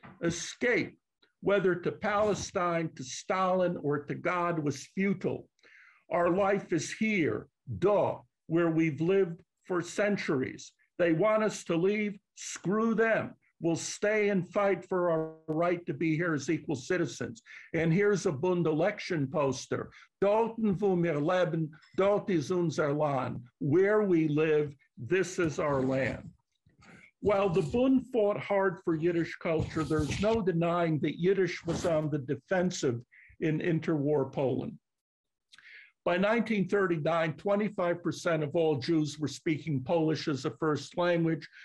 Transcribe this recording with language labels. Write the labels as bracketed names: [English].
[English] Escape, whether to Palestine, to Stalin, or to God, was futile. Our life is here, where we've lived for centuries. They want us to leave, screw them. We'll stay and fight for our right to be here as equal citizens. And here's a Bund election poster. [Yiddish] Dorten wo mir leben, dort ist unser Land. [English] Where we live, this is our land. While the Bund fought hard for Yiddish culture, there's no denying that Yiddish was on the defensive in interwar Poland. By 1939, 25% of all Jews were speaking Polish as a first language.